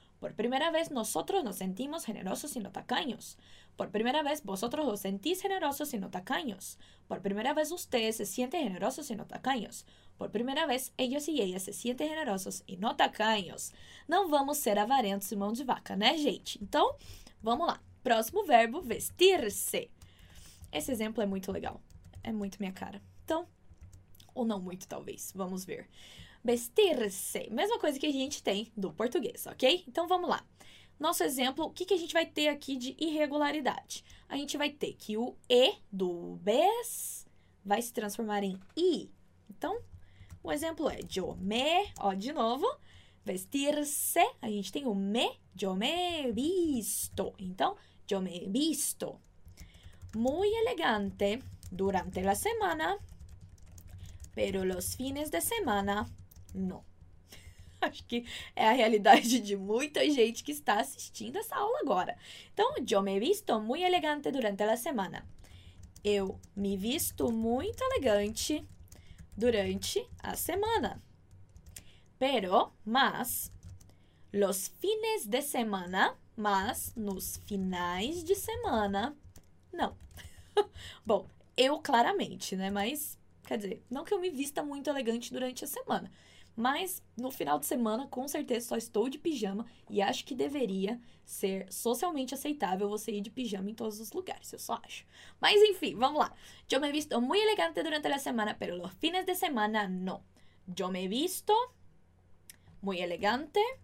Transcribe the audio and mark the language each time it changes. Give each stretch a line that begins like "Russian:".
Spanish: Por primera vez, nosotros nos sentimos generosos y no tacaños. Por primera vez, vosotros os sentís generosos y no tacaños. Por primera vez, ustedes se sienten generosos y no tacaños. Por primera vez, ellos y ellas se sienten generosos y no tacaños.
Portuguese: Não vamos ser avarentos e mão de vaca, né, gente? Então, vamos lá. Próximo verbo, vestir-se. Esse exemplo é muito legal. É muito minha cara. Então, ou não muito, talvez. Vamos ver. Vestir-se, mesma coisa que a gente tem do português, ok? Então vamos lá. Nosso exemplo, o que que a gente vai ter aqui de irregularidade? A gente vai ter que o E do bes vai se transformar em I. Então, o exemplo é
Spanish: yo me,
Portuguese: ó, de novo. Vestir-se, a gente tem o me,
Spanish: yo me visto. Então, yo me visto. Muy elegante durante la semana, pero los fines de semana.
Portuguese: Não. Acho que é a realidade de muita gente que está assistindo essa aula agora. Então,
Spanish: yo me visto muy elegante durante la semana.
Portuguese: Eu me visto muito elegante durante a semana.
Spanish: Pero,
Portuguese: mas,
Spanish: los fines de semana,
Portuguese: mas nos finais de semana, não. Bom, eu claramente, né? Mas, quer dizer, não que eu me vista muito elegante durante a semana. Mas no final de semana, com certeza, só estou de pijama e acho que deveria ser socialmente aceitável você ir de pijama em todos os lugares, eu só acho. Mas enfim, vamos lá.
Spanish: Yo me he visto muy elegante durante la semana, pero los fines de semana no. Yo me he visto muy elegante.